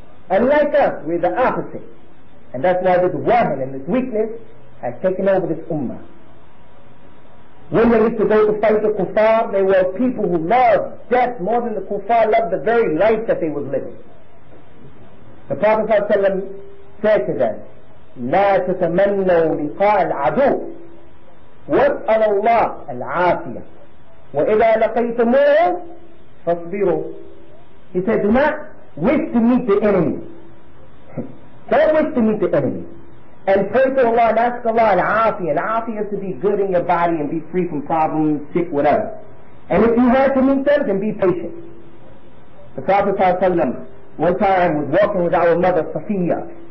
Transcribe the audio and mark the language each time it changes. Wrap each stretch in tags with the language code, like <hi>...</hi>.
<en>Unlike us, we're the opposite. And that's why this woman and this weakness has taken over this ummah. When they used to go to fight the kuffar, they were people who loved death more than the kuffar loved the very life that they were living. The Prophet ﷺ said to them,</en> <ar>لا تتمنوا لقاء العدو واسأل الله العافية وإذا لقيتموه فاصبروا.</ar> <en>He said, do not wish to meet the enemy. Don't wish to meet the enemy. And pray to Allah and ask Allah العافية. العافية is to be good in your body and be free from problems, sick, whatever. And if you have to meet them, then be patient. The Prophet ﷺ one time was walking with our mother Safiya.</en>